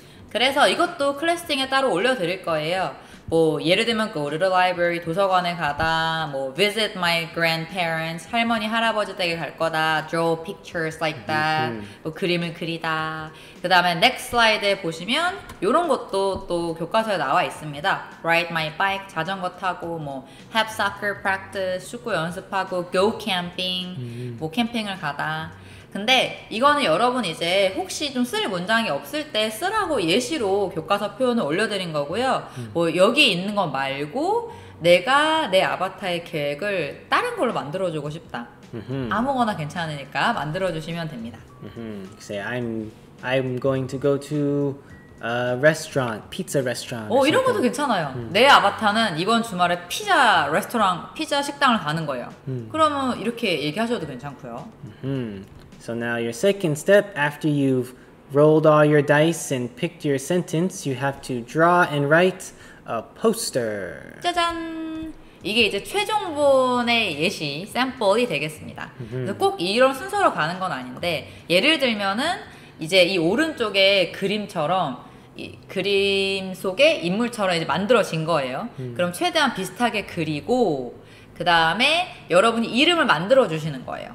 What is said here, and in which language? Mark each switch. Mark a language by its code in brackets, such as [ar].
[ko] 그래서 이것도 클래스팅에 따로 올려드릴 거예요. 뭐 예를 들면 [en] go to the library, [ko] 도서관에 가다, 뭐 [en] visit my grandparents, [ko] 할머니, 할아버지 댁에 갈 거다, [en] draw pictures like that, [ko] 뭐 그림을 그리다. 그 다음에 next slide에 보시면 이런 것도 또 교과서에 나와 있습니다. [en] ride my bike, [ko] 자전거 타고, 뭐 [en] have soccer practice, [ko] 축구 연습하고, [en] go camping, [ko] 뭐 캠핑을 가다. 근데 이거는 여러분 이제 혹시 좀 쓸 문장이 없을 때 쓰라고 예시로 교과서 표현을 올려드린 거고요. 뭐 여기 있는 거 말고 내가 내 아바타의 계획을 다른 걸로 만들어주고 싶다. 아무거나 괜찮으니까 만들어주시면 됩니다. [en] Say I'm going to go to a restaurant, pizza restaurant. [ko] 어, 이런 것도 괜찮아요. 내 아바타는 이번 주말에 피자 레스토랑, 피자 식당을 가는 거예요. 그러면 이렇게 얘기하셔도 괜찮고요. [en] So now your second step, after you've rolled all your dice and picked your sentence, you have to draw and write a poster. [ko] 짜잔! 이게 이제 최종본의 예시, 샘플이 되겠습니다. 꼭 이런 순서로 가는 건 아닌데, 예를 들면은 이제 이 오른쪽에 그림처럼 이 그림 속에 인물처럼 이제 만들어진 거예요. 그럼 최대한 비슷하게 그리고 그 다음에 여러분이 이름을 만들어 주시는 거예요.